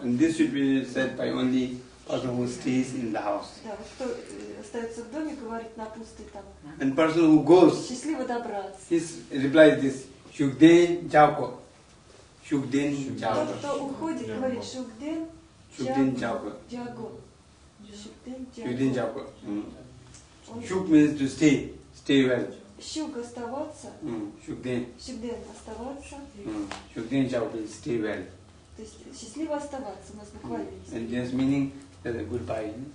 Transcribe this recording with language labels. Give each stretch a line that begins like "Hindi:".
English: And this should be said by only person who stays in the house.
Russian: Да, кто остается в доме, говорит на пустый там.
English: And person who goes.
Russian: Счастливо добраться.
English: His reply is this. Shukden jauko. Shukden jauko.
Russian: Тот, кто уходит, говорит Shukden jauko.
Tibetan: Shukden jauko. Shukden
English: jauko. Shuk means to stay. Stay well.
Russian: Shuk оставаться.
Tibetan: Shukden.
Russian: Shukden оставаться.
English: Shukden jauko. Stay well.
Russian: То есть счастливо оставаться, у нас буквально есть.
English: And this meaning that goodbye.